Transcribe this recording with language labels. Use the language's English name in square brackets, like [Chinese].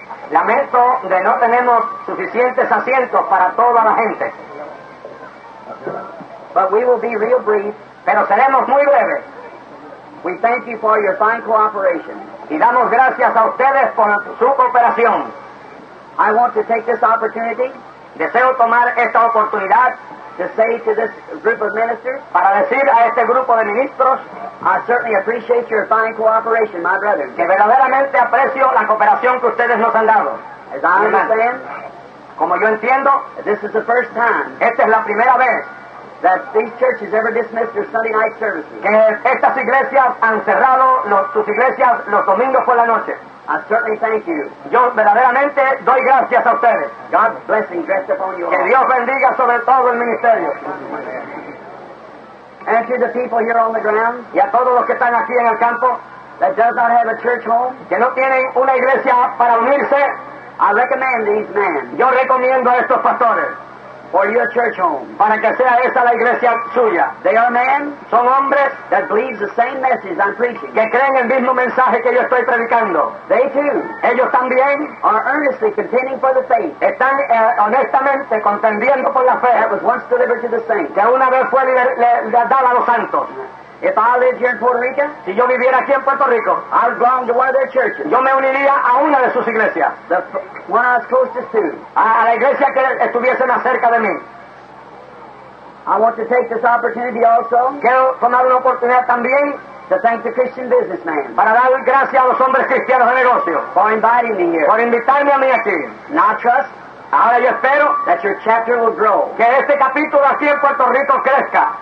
[Spanish] Lamento de no tenemos suficientes asientos para toda la gente. [English] But we will be real brief, [Spanish] pero seremos muy breves. [English] We thank you for your fine cooperation. [Spanish] Y damos gracias a ustedes por su cooperación. [English] I want to take this opportunity, [Spanish] deseo tomar esta oportunidad, [English] to say to this group of ministers, [Spanish] para decir a este grupo de ministros, [English] I certainly appreciate your fine cooperation, my brethren. [Spanish] Que verdaderamente aprecio la cooperación que ustedes nos han dado. [English] As I understand, [Spanish] como yo entiendo, [English] this is the first time. [Spanish] Esta es la primera vez. [English] That these churches ever dismissed their Sunday night services. [Spanish] Que estas iglesias han cerrado sus iglesias los domingos por la noche. [English] I certainly thank you. [Spanish] Yo verdaderamente doy gracias a ustedes. [English] God's blessing rest upon you all. [Spanish] Que Dios bendiga sobre todo el ministerio. [English] And to the people here on the ground. [Spanish] Y a todos los que están aquí en el campo. [English] That does not have a church home. [Spanish] Que no tienen una iglesia para unirse. [English] I recommend these men. [Spanish] Yo recomiendo a estos pastores. [English] For your church home. [Spanish] Para que sea esa la iglesia suya. [English] They are men. [Spanish] Son hombres. [English] That believe the same message I'm preaching. [Spanish] Que creen el mismo mensaje que yo estoy predicando. [English] They too. [Spanish] Ellos también. [English] Are earnestly contending for the faith. [Spanish] Están honestamente contendiendo por la fe. [English] That was once delivered to the saints. [Spanish] Que una vez fue dada a los santos. [English] If I lived here in Puerto Rico, [Spanish] si yo viviera aquí en Puerto Rico, [English] I'd belong to one of their churches. [Spanish] Yo me uniría a una de sus iglesias. [English] The one I was closest to. [Spanish] A la iglesia que estuviese más cerca de mí. [English] I want to take this opportunity also. [Spanish] Quiero tomar una oportunidad también. [English] To thank the Christian businessman. [Spanish] Para dar gracias a los hombres cristianos de negocio. [English] For inviting me here. [Spanish] Por invitarme a mí aquí. [English] Now trust. [Spanish] Ahora yo espero [English] that your chapter will grow. [Spanish] Que este capítulo aquí en Puerto Rico crezca.